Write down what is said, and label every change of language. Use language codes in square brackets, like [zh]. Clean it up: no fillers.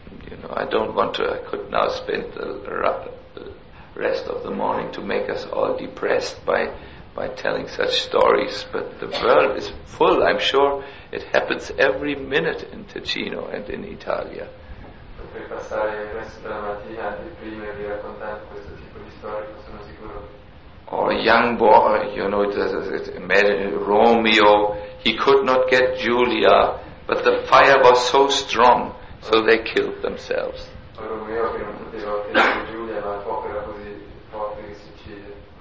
[en] You know, I don't want to, I could now spend the rest of the morning to make us all depressed by telling such stories, but the world is full. I'm sure it happens every minute in Ticino and in Italia. [it] Potrei passare il resto della mattina a deprimervi raccontando questo tipo di storie, sono sicuro. [en] Or a young boy, you know, imagine Romeo, he could not get Julia, but the fire was so strong, so they killed themselves. [it] Romeo che non poteva ottenere Giulia, ma il fuoco era così forte che si uccide.